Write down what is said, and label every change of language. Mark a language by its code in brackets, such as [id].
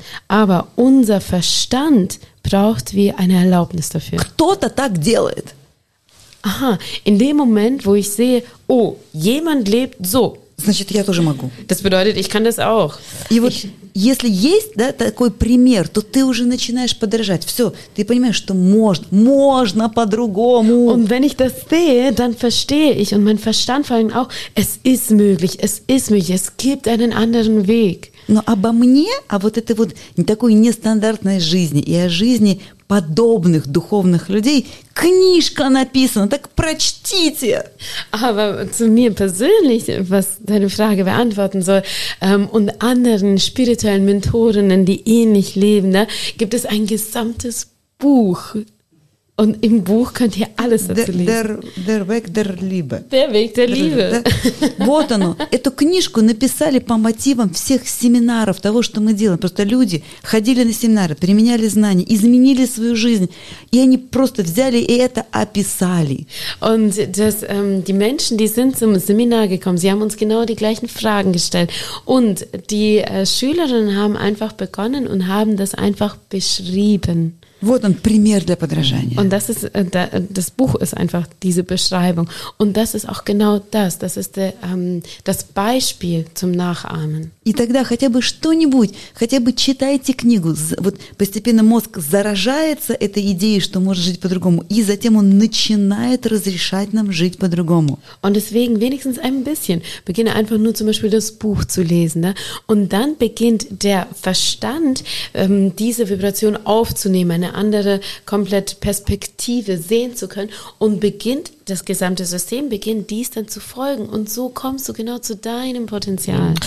[de] Aber unser Verstand braucht wie eine Erlaubnis dafür. [ru] Кто-то так делает. [de] Aha, in dem Moment, wo ich sehe, oh, jemand lebt so, [ru] значит, я тоже могу. [de] Das bedeutet, ich kann das auch. [ru] И вот если есть, да, такой пример, то ты уже начинаешь подражать. Все, ты понимаешь, что можно по-другому. [de] Und wenn ich das sehe, dann verstehe ich und mein Verstand vor allem auch, es ist möglich, es gibt einen anderen Weg. [ru] Но обо мне, а вот этой вот такой нестандартной жизни и о жизни подобных духовных людей книжка написана, так прочтите. [de] Aber zu mir persönlich, was deine Frage beantworten soll, und anderen spirituellen Mentorinnen, die ähnlich leben, da, gibt es ein gesamtes Buch. Und im Buch könnt ihr alles dazu lesen. Der Weg der Liebe. Der Weg der Liebe. [ru] Вот оно. Эту книжку написали по мотивам всех семинаров, того, что мы делаем. Просто люди ходили на семинары, применяли знания, изменили свою жизнь. И они просто взяли и это описали. [de] Und das, die Menschen, die sind zum Seminar gekommen, sie haben uns genau die gleichen Fragen gestellt. Und die Schülerinnen haben einfach begonnen und haben das einfach beschrieben. [ru] Вот он, пример для подражания. [de] Und das ist, das Buch ist einfach diese Beschreibung. Und das ist auch genau das. Das ist der, das Beispiel zum Nachahmen. [ru] И тогда хотя бы что-нибудь, хотя бы читайте книгу. Вот постепенно мозг заражается этой идеей, что может жить по-другому. И затем он начинает разрешать нам жить по-другому. [de] Und deswegen wenigstens ein bisschen. Beginne einfach nur zum Beispiel das Buch zu lesen. Ne? Und dann beginnt der Verstand, diese Vibration aufzunehmen. Eine andere komplett Perspektive sehen zu können und beginnt das gesamte System, beginnt dies dann zu folgen und so kommst du genau zu deinem Potenzial.